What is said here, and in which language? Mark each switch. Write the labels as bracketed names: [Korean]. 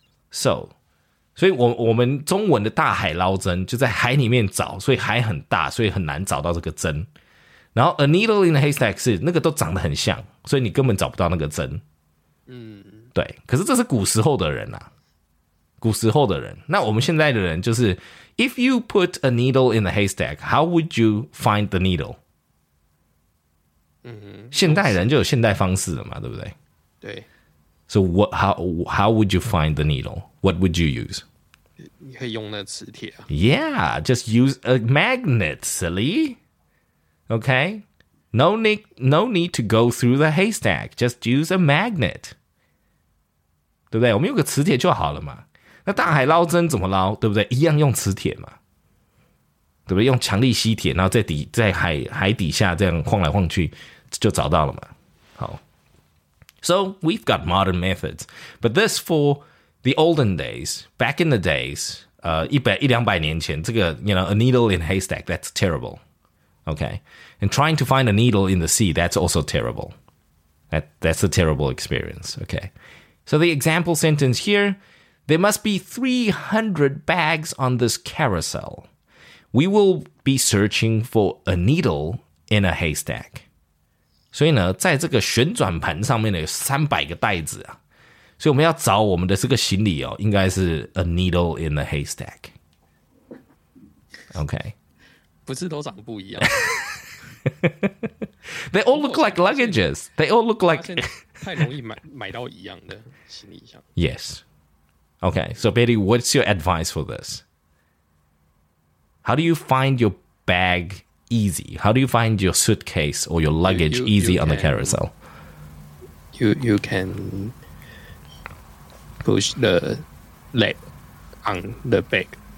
[Chinese] So, 所以我们中文的大海捞针就在海里面找，所以海很大，所以很难找到这个针。然后 [English] a needle in a haystack [Chinese] 是那个都长得很像，所以你根本找不到那个针。嗯，对。可是这是古时候的人啊，古时候的人。那我们现在的人就是 [English] If you put a needle in the haystack, how would you find the needle? 嗯， [Chinese] 现代人就有现代方式了嘛，对不对？对。 [English] So what? How would you find the needle? What would you use? [Chinese] 你可以用那磁铁啊。 [English] Yeah, just use a magnet, silly. Okay. No need to go through the haystack. Just use a magnet. [Chinese] 对不对？我们用个磁铁就好了嘛。那大海捞针怎么捞，对不对？一样用磁铁嘛，对不对？用强力吸铁，然后在 海底下这样晃来晃去就找到了嘛。 [English] 好， So we've got modern methods, but this for the olden days, back in the days, [Chinese] 一两百年前这个 [English] you know, a needle in a haystack, that's terrible. Okay, and trying to find a needle in the sea, that's also terrible. That's a terrible experience. Okay, so the example sentence hereThere must be 300 bags on this carousel. We will be searching for a needle in a haystack. [Chinese] 所以呢，在这个旋转盘上面呢，有300个袋子啊。所以我们要找我们的这个行李哦，应该是 [English] a needle in a haystack. Okay. [Chinese] 不是都长不一样。 [English] They all look like luggages. They all look like... [Chinese] 太容易买到一样的行李箱。 [English] Yes. Okay, so Betty, what's your advice for this? How do you find your bag easy? How do you find your suitcase or your luggage easy on the carousel? You can push the leg on the bag.